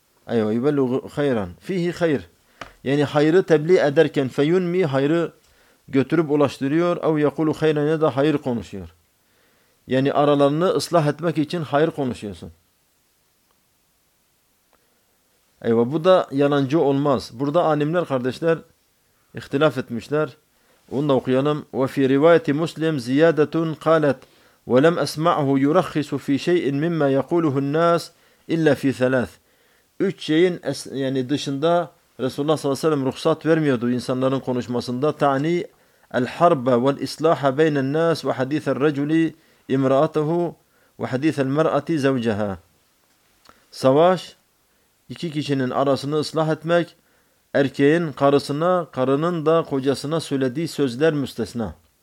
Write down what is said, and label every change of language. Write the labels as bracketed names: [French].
[Arabic] أيوة يبلغ خيرا فيه خير [Turkish] yani hayrı tebliğ ederken [Arabic] فينمي [Turkish] hayrı götürüp ulaştırıyor [Arabic] أو يقول خيرا [Turkish] ya da hayır konuşuyor yani aralarını ıslah etmek için hayır konuşuyorsun. Eyvah, bu da yalancı olmaz. Burada alimler kardeşler ihtilaf etmişler. Onu da okuyalım. [Arabic] وَفِي رِوَيَةِ مُسْلِمْ زِيَادَةٌ قَالَتْ وَلَمْ أَسْمَعْهُ يُرَخِّسُ فِي شَيْءٍ مِمَّا يَقُولُهُ النَّاسِ اِلَّا فِي ثَلَاثٍ [Turkish] Üç şeyin yani dışında Resulullah sallallahu aleyhi ve sellem ruhsat vermiyordu insanların konuşmasında. [Arabic] تَعْنِي الْحَرْبَ وَالْإِصْلَاحَ بَيْنَ النَّاسِ وَحَدِيثَ الرَّجُلِ اِمْرَأَتَهُ وَحَدِيثَ الْمَرْأَةِ زَوْجَهَا [Turkish] Savaş İki kişinin arasını ıslah etmek, erkeğin karısına, karının da kocasına söylediği sözler müstesna.